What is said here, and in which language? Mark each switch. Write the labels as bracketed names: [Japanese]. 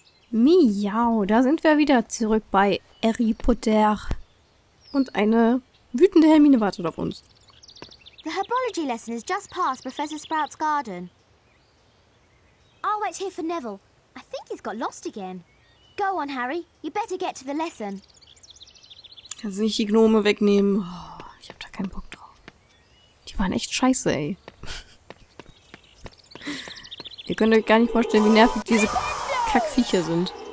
[German] Miau, da sind wir wieder zurück bei Harry Potter. Und eine wütende Hermine wartet auf uns. [English] The herbology lesson is just past Professor Sprout's garden. I'll wait here for Neville. I think he's got lost again. Go on, Harry. You better get to the lesson. [German] Kannst du nicht die Gnome wegnehmen? Oh, ich hab da keinen Bock drauf. Die waren echt scheiße, ey. Ihr könnt euch gar nicht vorstellen, wie nervig diese Kackviecher sind.